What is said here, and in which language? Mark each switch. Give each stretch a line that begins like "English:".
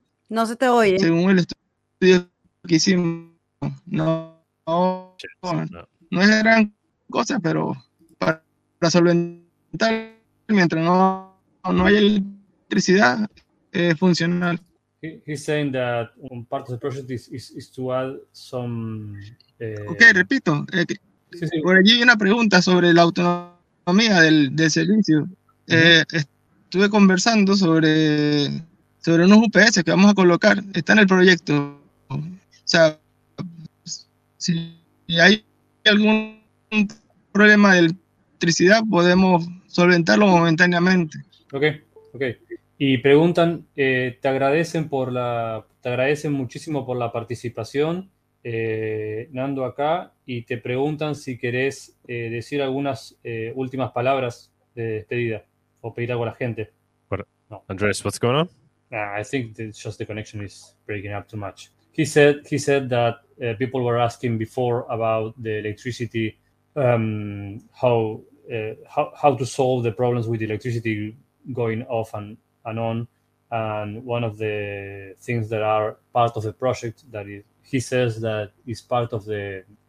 Spanish: No se te oye. Según el estudio que hicimos, no es gran cosa, pero para solventar, mientras no hay electricidad, funcional.
English: He's saying that one part of the project is to add some...
Spanish: Okay, repito. Sí. Por allí hay una pregunta sobre la autonomía del servicio. Uh-huh. Estuve conversando sobre unos UPS que vamos a colocar. Está en el proyecto. O sea, si hay algún problema de electricidad, podemos solventarlo momentáneamente. Ok. Y preguntan, te agradecen muchísimo por la participación, Nando, acá, y te preguntan si querés decir algunas últimas palabras de despedida o pedir algo a la gente.
English: No. Andres, what's going on? I think just the connection is breaking up too much. He said that people were asking before about the electricity, how to solve the problems with electricity going off and on, and one of the things that are part of the project that is, he says that is part of the